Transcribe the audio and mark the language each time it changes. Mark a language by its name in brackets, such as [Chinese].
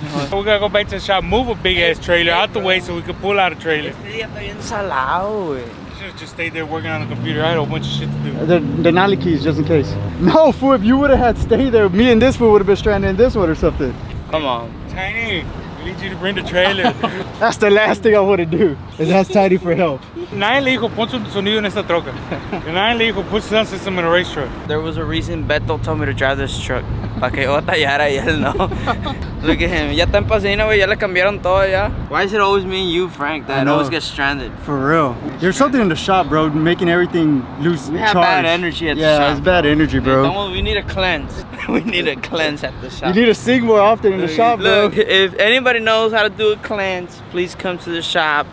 [English] We gotta go back to the shop, move a big ass trailer out the way so we can pull out a trailer. Should've just stayed there working on the computer. I had a bunch of shit to do. The nally keys just in case. No, fool, if you would have had stayed there, me and this fool would have been stranded in this one or something. Come on. Tiny, we need you to bring the trailer. That's the last thing I wanna do. Is ask Tiny for help. [Spanish] Nadie le dijo, pon su sonido en esta troca. Nadie le dijo, [English] put the sound system in a race truck. There was a reason Beto told me to drive this truck. [Spanish] Pa que yo tallara y él no. [English] Look at him. [Spanish] Ya está en Pasadena, wey. Ya le cambiaron todo, ya. [English] Why is it always me and you, Frank, that I always get stranded? For real. There's something in the shop, bro, making everything lose charge. We have bad energy at the shop. Yeah, it's bad energy, bro. Dude, we need a cleanse. We need a cleanse at the shop. You need to sing more often in the shop, look, bro. If anybody knows how to do a cleanse, please come to the shop.